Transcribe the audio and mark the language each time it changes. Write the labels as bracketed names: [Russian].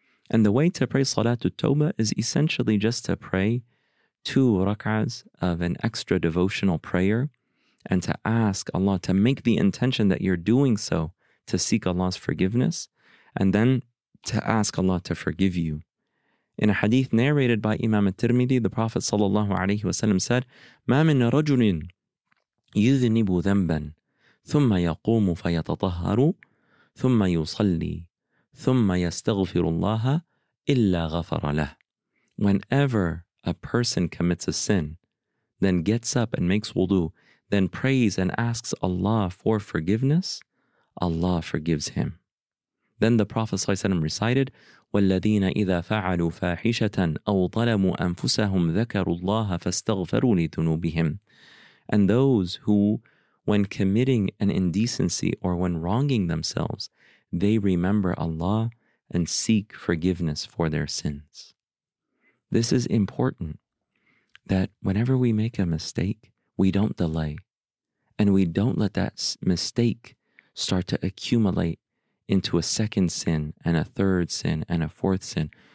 [English] And the way to pray Salat al-Tawba is essentially just to pray 2 rak'as of an extra devotional prayer and to ask Allah to make the intention that you're doing so to seek Allah's forgiveness and then to ask Allah to forgive you. In a hadith narrated by Imam al-Tirmidhi, the Prophet ﷺ said, [Arabic] مَا مِن رَجُلٍ يُذْنِبُ ذَنْبًا ثُمَّ يَقُومُ فَيَتَطَهَّرُ ثُمَّ يُصَلِّي ثُمَّ يَسْتَغْفِرُ اللَّهَ إِلَّا غَفَرَ لَهُ. [English] Whenever a person commits a sin, then gets up and makes wudu, then prays and asks Allah for forgiveness, Allah forgives him. Then the Prophet ﷺ recited, [Arabic] وَالَّذِينَ إِذَا فَعَلُوا فَاحِشَةً أَوْ ظَلَمُوا أَنفُسَهُمْ ذَكَرُوا اللَّهَ فَاسْتَغْفَرُوا لِذُنُوبِهِمْ. [English] And those who, when committing an indecency or when wronging themselves, they remember Allah and seek forgiveness for their sins. This is important, that whenever we make a mistake, we don't delay and we don't let that mistake start to accumulate into a second sin and a third sin and a fourth sin.